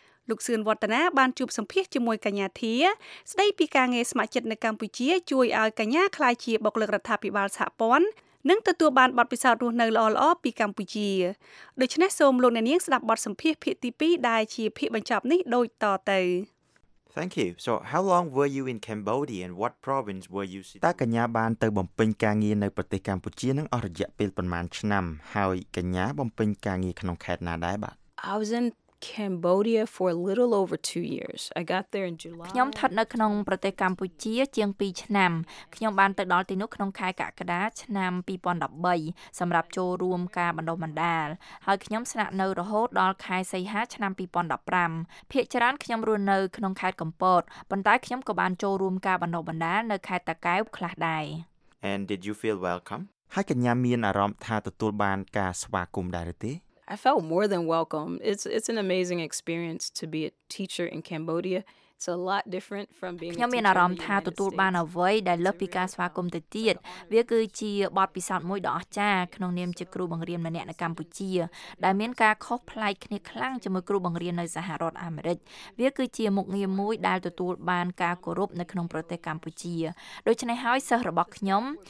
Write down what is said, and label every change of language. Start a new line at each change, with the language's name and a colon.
Khmer: លោកសឿនវឌ្ឍនាបានជួបសម្ភាសជាមួយកញ្ញាធាស្ដីពីការងារស្ម័គ្រចិត្តនៅកម្ពុជាជួយឲ្យកញ្ញាក្លាយជាបុគ្គលិករដ្ឋាភិបាលសហព័ន្ធនឹងទទួលបានបទពិសោធន៍រស់នៅល្អៗពីកម្ពុជាដូច្នេះសូមលោកអ្នកនាងស្ដាប់បទសម្ភាសន៍ភាគទី2ដែលជាភាគបញ្ចប់នេះដូចតទៅ
English: Thank you. So how long were you in Cambodia and what province were you
Khmer: តើកញ្ញាបានទៅបំពេញការងារនៅប្រទេសកម្ពុជានឹងអស់រយៈពេលប្រមាណឆ្នាំហើយកញ្ញាបំពេញការងារក្នុងខេត្តណាដែរបាទ
English: I was in Cambodia for a little over 2 years. I got there in July.
Khmer: ខ្ញុំស្ថិតនៅក្នុងប្រទេសកម្ពុជាជាង2ឆ្នាំ។ខ្ញុំបានទៅដល់ទីនោះក្នុងខែកក្កដាឆ្នាំ2013សម្រាប់ចូលរួមការបណ្ដុះបណ្ដាល។ហើយខ្ញុំស្នាក់នៅរហូតដល់ខែសីហាឆ្នាំ2015។ភាគច្រើនខ្ញុំរស់នៅក្នុងខេត្តកំពត។ប៉ុន្តែខ្ញុំក៏បានចូលរួមការបណ្ដុះបណ្ដាលនៅខេត្តតាកែវខ្លះដែរ
English: ។ And did you feel welcome?
Khmer: ហើយកញ្ញាមានអារម្មណ៍ថាទទួលបានការស្វាគមន៍ដែរឬទេ?
English: I felt more than welcome. It's an amazing experience to be a teacher in Cambodia. It's a lot different from being a teacher.
Khmer: ខ្ញុំមានអារម្មណ៍ថាទទួលបានអ្វីដែលលើសពីការស្វាគមន៍ទៅទៀត។វាគឺជាបទពិសោធន៍មួយដ៏អស្ចារ្យក្នុងនាមជាគ្រូបង្រៀនម្នាក់នៅកម្ពុជាដែលមានការខុសប្លែកគ្នាខ្លាំងជាមួយគ្រូបង្រៀននៅសហរដ្ឋអាមេរិក។វាគឺជាមុខងារមួយដែលទទួលបានការគោរពនៅក្នុងប្រទេសកម្ពុជា។ដូច្នេះហើយសិស្សរបស់ខ្ញុំ